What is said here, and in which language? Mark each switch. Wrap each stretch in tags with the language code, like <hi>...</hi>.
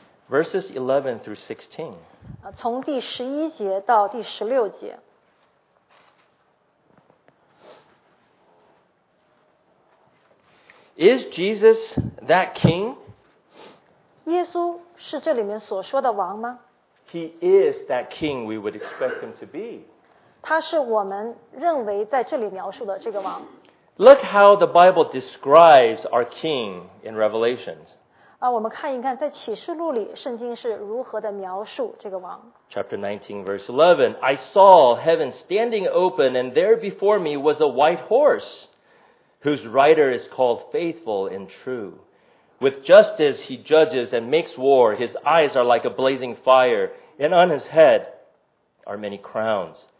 <en>Verses 11 through 16.</en> <zh>从第十一节到第十六节。</zh> <en>Is Jesus that king?</en> <zh>耶稣是这里面所说的王吗？</zh> <en>He is that king we would expect him to be.</en> <zh>他是我们认为在这里描述的这个王。</zh> <en>Look how the Bible describes our king in Revelations.</en> <zh>我们看一看在启示录里圣经是如何的描述这个王。</zh> <en>Chapter 19 verse 11, I saw heaven standing open and there before me was a white horse whose rider is called faithful and true. With justice he judges and makes war. His eyes are like a blazing fire and on his head are many crowns.</en>